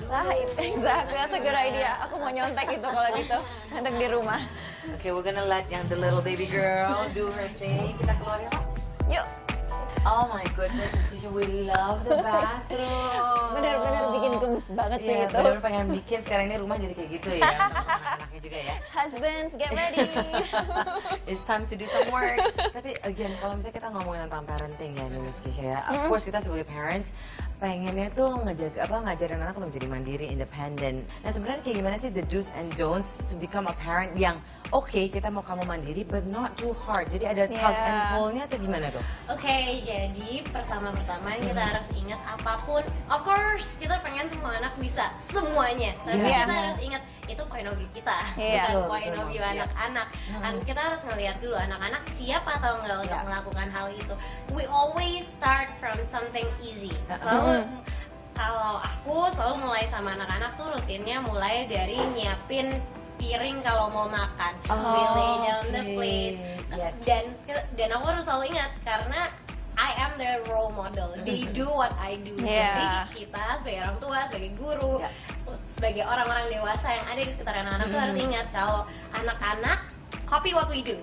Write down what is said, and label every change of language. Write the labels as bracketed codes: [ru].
[en] Nah, exactly, that's a good idea. [id] Aku mau nyontek itu kalau gitu untuk di rumah. [en] Okay, we're gonna let young the little baby girl do her thing. [id] Kita keluar ya, Max. Yuk. [en] Oh my goodness, we love the bathroom. [id] Benar-benar bikin gemes banget sih itu. Benar-benar pengen bikin sekarang ini rumah jadi kayak gitu ya. Untuk anak-anaknya juga ya. [en] Husbands, get ready. It's time to do some work. [id] Tapi again, kalau misalnya kita ngomongin tentang parenting ya, Miss Keisha ya. [en] Of course [id] kita sebagai parents pengennya tuh ngejaga apa ngajarin anak untuk menjadi mandiri, [en] independent. [id] Nah sebenarnya kayak gimana sih [en] the do's and don'ts to become a parent [id] yang okay, kita mau kamu mandiri, [en] but not too hard. [id] Jadi ada [en] tug and pull- [id] nya atau gimana tuh? Okay, jadi pertama-tama kita harus ingat apapun. [en] Of course, [id] kita pengen semua anak bisa semuanya. Tapi kita harus ingat itu [en] point of view [id] kita, bukan point of view anak-anak. Kita harus ngelihat dulu anak-anak siap atau enggak untuk melakukan hal itu. [en] We always start from something easy. [id] Kalau aku selalu mulai sama anak-anak tuh rutinnya mulai dari nyiapin piring kalau mau makan, [en] lay down the plates, [id] dan aku harus selalu ingat karena [en] I am their role model. They do what I do. [id] Jadi kita sebagai orang tua, sebagai guru, sebagai orang-orang dewasa yang ada di sekitar anak-anak itu harus ingat kalau anak-anak [en] copy what we do.